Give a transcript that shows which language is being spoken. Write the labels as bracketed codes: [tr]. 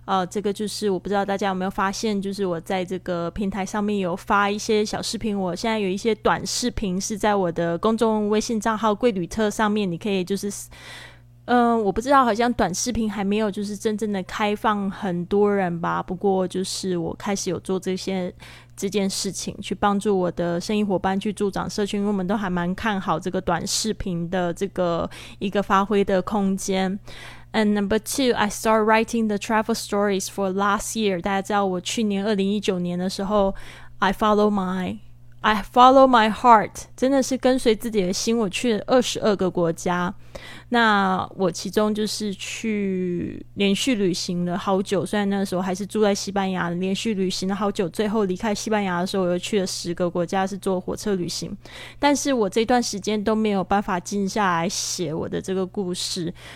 [zh] 这个就是我不知道大家有没有发现，就是我在这个平台上面有发一些小视频，我现在有一些短视频是在我的公众微信账号贵旅特上面，你可以就是我不知道，好像短视频还没有就是真正的开放很多人吧，不过就是我开始有做这件事情，去帮助我的生意伙伴去助长社群，因为我们都还蛮看好这个短视频的这个一个发挥的空间。 [en] And number two, I start writing the travel stories for last year. [zh] 大家知道我去年2019年的时候， [en] I follow my heart， [zh] 真的是跟随自己的心，我去了22个国家，那我其中就是去连续旅行了好久，虽然那时候还是住在西班牙，连续旅行了好久，最后离开西班牙的时候我又去了10个国家，是坐火车旅行，但是我这段时间都没有办法静下来写我的这个故事。